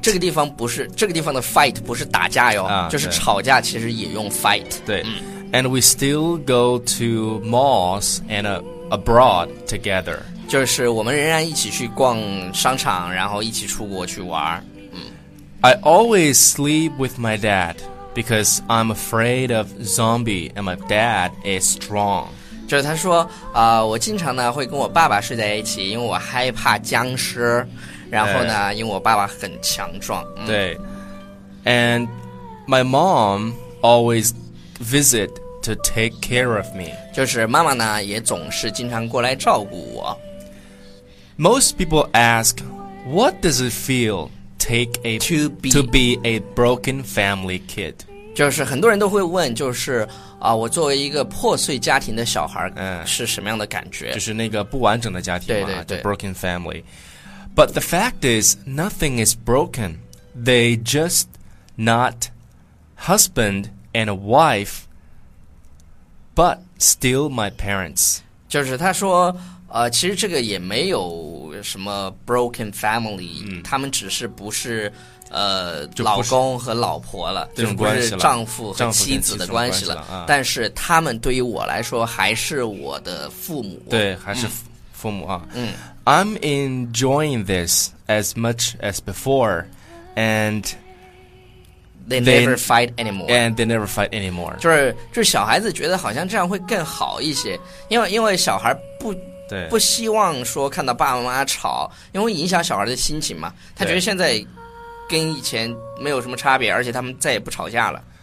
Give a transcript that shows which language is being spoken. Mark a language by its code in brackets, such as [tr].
[zh] 这个地方不是，这个地方的 fight 不是打架哟，啊、就是吵架，其实也用 fight。 [en] 对、， and we still go to malls and abroad together， [zh] 就是我们仍然一起去逛商场，然后一起出国去玩。 [en] I always sleep with my dad because I'm afraid of zombie and my dad is strong. [zh] 就是他说我经常呢会跟我爸爸睡在一起，因为我害怕僵尸，然后呢、因为我爸爸很强壮、对。 [en] And my mom always visit to take care of me， [zh] 就是妈妈呢也总是经常过来照顾我。 [en] Most people ask what does it feel take a, to be a broken family kid， [zh] 就是很多人都会问，就是啊，我作为一个破碎家庭的小孩，是什么样的感觉？就是那个不完整的家庭嘛，对对对 [en] ，the broken family. But the fact is, nothing is broken. They just not husband and wife, but still my parents. [zh] 就是他说，其实这个也没有什么 broken family，他们只是不是。老公和老婆了，这种关系了，就是丈夫和妻子的关系了、但是他们对于我来说还是我的父母，对，还是父母啊。 [en] I'm enjoying this as much as before and they never fight anymore and they never fight anymore， [zh] 就是小孩子觉得好像这样会更好一些，因为小孩不希望说看到爸爸妈妈吵，因为影响小孩的心情嘛，他觉得现在跟以前没有什么差别，而且他们再也不吵架了。